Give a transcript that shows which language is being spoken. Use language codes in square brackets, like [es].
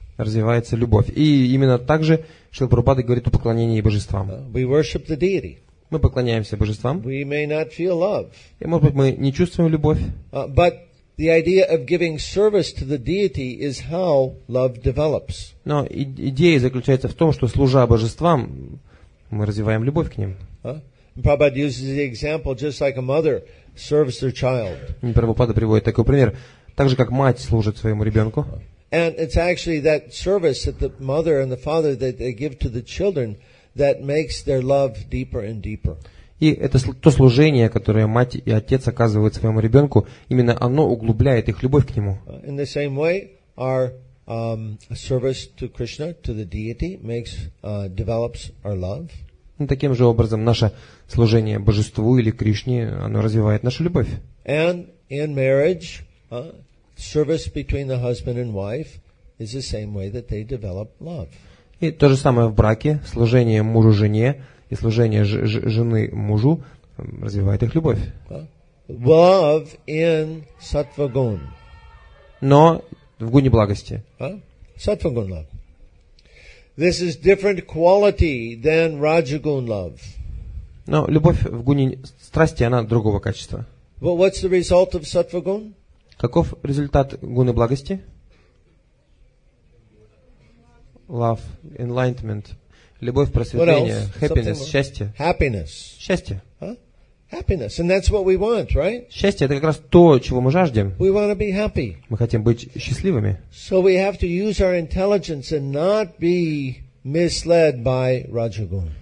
[ru] Развивается любовь. И именно так же Шрила Прабхупада говорит о поклонении божествам. [en] We worship the deity. [ru] Мы поклоняемся божествам. [en] We may not feel love. [ru] И, может быть, мы не чувствуем любовь. [en] But the idea of giving service to the deity is how love develops. [ru] Но идея заключается в том, что служа божествам, мы развиваем любовь к ним. [en] Prabhupada uses the example just like a mother serves their child. [ru] Прабхупада приводит такой пример, так же как мать служит своему ребенку. [en] And it's actually that service that the mother and the father that they give to the children that makes their love deeper and deeper. [ru] И это то служение, которое мать и отец оказывают своему ребенку, именно оно углубляет их любовь к нему. [en] In the same way, our service to Krishna, to the deity, makes develops our love. [ru] И таким же образом наше служение божеству или Кришне, оно развивает нашу любовь. [en] And in marriage, service between the husband and wife is the same way that they develop love. [ru] И то же самое в браке, служение мужу жене и служение жены мужу развивает их любовь. [en] Love in sattva-gun. [ru] Но в гуне благости. [en] Sattva-gun love. This is different quality than raja-gun love. [ru] Но любовь в гуне страсти, она другого качества. [en] But what's the result of sattva-gun? [ru] Каков результат гуны благости? [en] Love, enlightenment, [ru] любовь, просветление, [en] happiness, [ru] счастье. [en] Happiness. [ru] Счастье. [en] Happiness, and that's what we want, right? [ru] Счастье – это как раз то, чего мы жаждем. [en] We want to be happy. [ru] Мы хотим быть счастливыми. [en] So we have to use our intelligence and not be misled by Rajagun.